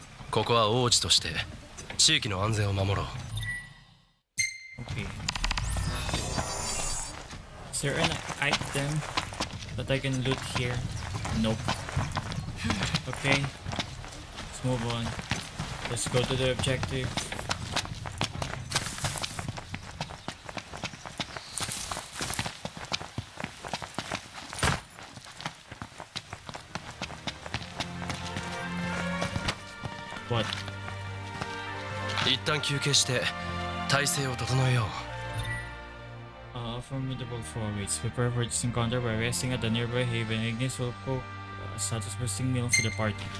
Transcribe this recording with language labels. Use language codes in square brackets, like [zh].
[ja] ここは王子として地域の安全を守ろう。 [en] Okay. Is there an item that I can loot here? Nope. Okay. Let's move on. Let's go to the objective. What? [ja] 一旦休憩して体勢を整えよう。 [en] A formidable foe awaits. Prepare for this encounter by resting at the nearby haven. Ignis will cook a status boosting meal for the party.